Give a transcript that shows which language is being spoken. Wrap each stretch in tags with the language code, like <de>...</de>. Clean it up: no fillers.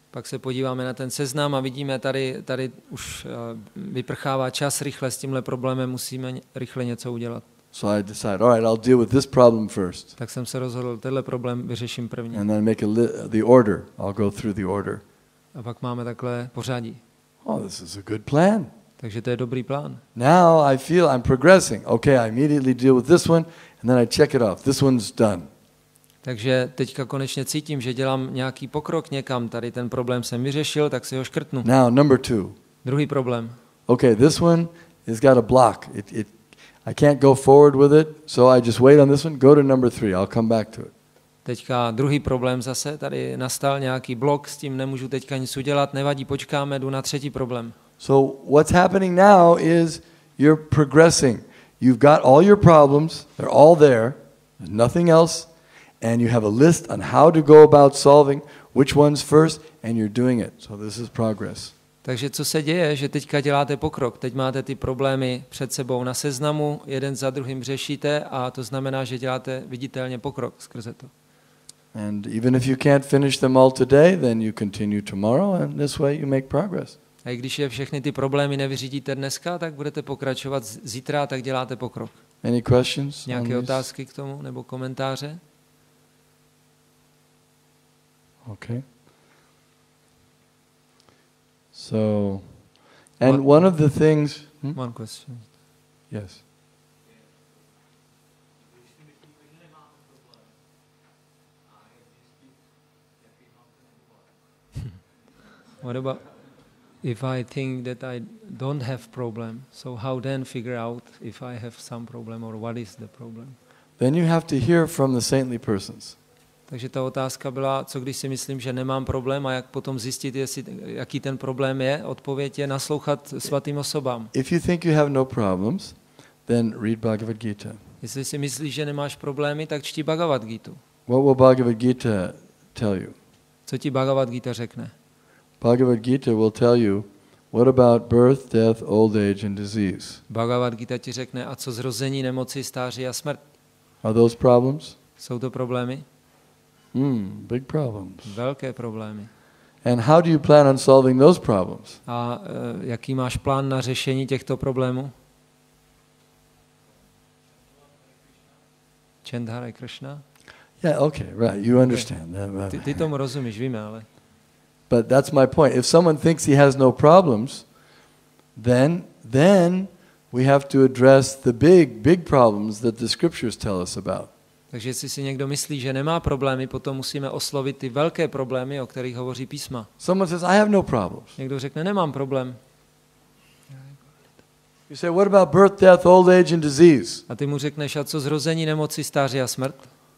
<cs>Pak se podíváme na ten seznam a vidíme tady už vyprchává čas, rychle s tímhle problémem musíme rychle něco udělat.</cs> <en>So I decide, all right, I'll deal with this problem first.</en> <cs>Tak jsem se rozhodl, tenhle problém vyřeším první.</cs> <en>And then make the order. I'll go through the order.</en> <cs>A pak máme takhle pořadí.</cs> <en>Oh, this is a good plan.</en> <cs>Takže to je dobrý plán.</cs> <en>Now I feel I'm progressing. Okay, I immediately deal with this one and then I check it off. This one's done.</en> <cs>Takže teďka konečně cítím, že dělám nějaký pokrok někam. Tady ten problém jsem vyřešil, tak si ho škrtnu.</cs> <en>Now, number two.</en> <cs>Druhý problém.</cs> <en>Okay, this one has got a block. It I can't go forward with it, so I just wait on this one. Go to number three. I'll come back to it.</en> <cs>Teďka druhý problém zase. Tady nastal nějaký blok, s tím nemůžu teďka nic udělat. Nevadí, počkáme, jdu na třetí problém.</cs> <en>So what's happening now is you're progressing. You've got all your problems. They're all there. There's nothing else. And you have a list on how to go about solving which one's first, and you're doing it. So this is progress.</en> <cs>Takže co se děje, že teďka děláte pokrok? Teď máte ty problémy před sebou na seznamu, jeden za druhým řešíte, a to znamená, že děláte viditelně pokrok skrze to.</cs> <en>And even if you can't finish them all today, then you continue tomorrow, and this way you make progress.</en> <cs>A i když je všechny ty problémy nevyřídíte dneska, tak budete pokračovat zítra, tak děláte pokrok.</cs> <en>Any questions?</en> <cs>Nějaké otázky k tomu nebo komentáře?</cs> <en>Okay. So, and one of the things. One question. Yes. What about if I think that I don't have problem? So how then figure out if I have some problem or what is the problem? Then you have to hear from the saintly persons.</en> <cs>Takže ta otázka byla, co když si myslím, že nemám problém a jak potom zjistit, jestli, jaký ten problém je? Odpověď je naslouchat svatým osobám.</cs> <en>If you think you have no problems, then read Bhagavad Gita.</en> <cs>Jestli si myslíš, že nemáš problémy, tak čti Bhagavad Gita.</cs> <en>What will Bhagavad Gita tell you?</en> <cs>Co ti Bhagavad Gita řekne?</cs> <en>Bhagavad Gita will tell you, what about birth, death, old age and disease?</en> <cs>Bhagavad Gita ti řekne, a co zrození, nemoci, stáří a smrt?</cs> <en>Are those problems?</en> <cs>Jsou to problémy?</cs> <en>Big problems.</en> <cs>Velké problémy.</cs> <en>And how do you plan on solving those problems? A jaký máš plán na řešení těchto problémů? Chant Hare Krishna? Yeah, okay, right. You understand. Okay.</en> <cs>Ty tomu rozumíš, víme, ale.</cs> <en>But that's my point. If someone thinks he has no problems, then we have to address the big problems that the scriptures tell us about.</en> <cs>Takže jestli si někdo myslí, že nemá problémy, potom musíme oslovit ty velké problémy, o kterých hovoří písma.</cs> <en>Someone says, I have no problems.</en> <cs>Někdo řekne, nemám problém.</cs> <en>You say, what about birth, death, old age and disease?</en> <cs>A ty mu řekneš, a co zrození, nemoci, stáří a smrt?</cs>